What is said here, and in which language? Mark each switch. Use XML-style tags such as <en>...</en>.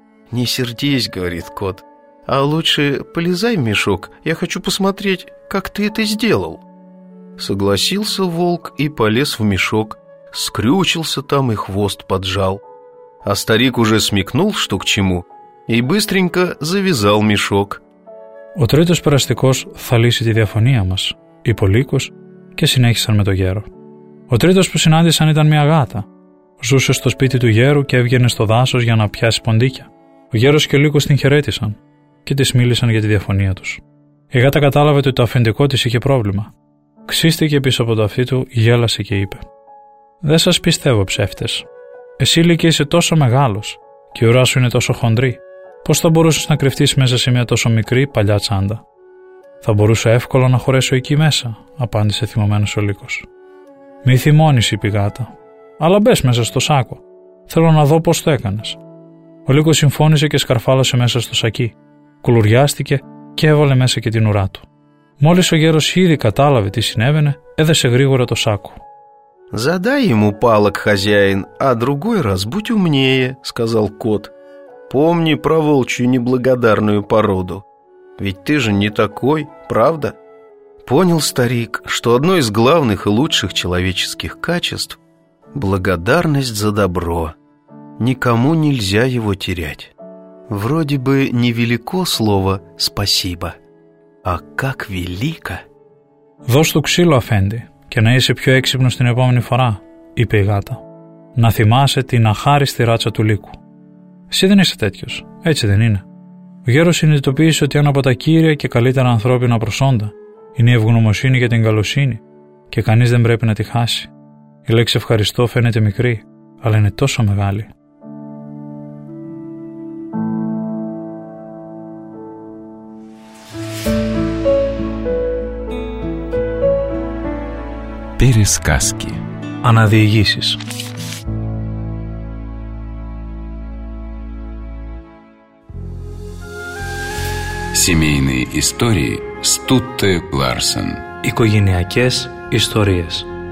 <ru>«Не сердись», — говорит кот, «а лучше полезай в мешок. Я хочу посмотреть, как ты это сделал». Согласился волк и полез в мешок. Скрючился там и хвост поджал. А старик уже смекнул, что к чему, и быстренько завязал мешок.</ru> <el>Ο τρίτος περαστικός θα λύσει τη διαφωνία μας, είπε ο Λύκος και συνέχισαν με το γέρο. Ο τρίτος που συνάντησαν ήταν μια γάτα. Ζούσε στο σπίτι του γέρου και έβγαινε στο δάσος για να πιάσει ποντίκια. Ο γέρος και ο Λύκος την χαιρέτησαν και της μίλησαν για τη διαφωνία τους. Η γάτα κατάλαβε ότι το αφεντικό της είχε πρόβλημα. Ξύστηκε πίσω από το αυτί του, γέλασε και είπε: «Δεν σας πιστεύω, ψεύτες. Εσύ, Λύκη, είσαι τόσο μεγάλος και η ουρά σου είναι τόσο χοντρή. Πώς θα μπορούσες να κρυφτείς μέσα σε μια τόσο μικρή παλιά τσάντα?» «Θα μπορούσα εύκολα να χωρέσω εκεί μέσα», απάντησε θυμωμένος ο Λύκος. «Μη θυμώνεις», είπε η γάτα, «αλλά μπες μέσα στο σάκο. Θέλω να δω πώς το έκανες». Ο Λύκος συμφώνησε και σκαρφάλωσε μέσα στο σακί. Κουλουριάστηκε και έβαλε μέσα και την ουρά του. Μόλις ο γέρος ήδη κατάλαβε τι συνέβαινε, έδεσε γρήγορα το σάκο.</el> <ru>«Задай ему палок, хозяин, а другой раз будь умнее», — сказал кот. «Помни про волчью неблагодарную породу. Ведь ты же не такой, правда?» Понял старик, что одно из главных и лучших человеческих качеств — благодарность за добро. Никому нельзя его терять. Вроде бы невелико слово «спасибо», а как велико!</ru> <el>«Дошту ксилу, афенди». «Και να είσαι πιο έξυπνος την επόμενη φορά», είπε η γάτα. «Να θυμάσαι την αχάριστη ράτσα του Λύκου». «Εσύ δεν είσαι τέτοιος, έτσι δεν είναι?» Ο γέρος συνειδητοποίησε ότι ένα από τα κύρια και καλύτερα ανθρώπινα προσόντα είναι η ευγνωμοσύνη για την καλοσύνη και κανείς δεν πρέπει να τη χάσει. Η λέξη «ευχαριστώ» φαίνεται μικρή, αλλά είναι τόσο μεγάλη.</el> <ru>Пересказки. Аналогиис. Семейные истории Стутте Ларсен.</ru> <el>Οικογενειακές ιστορίες.</el>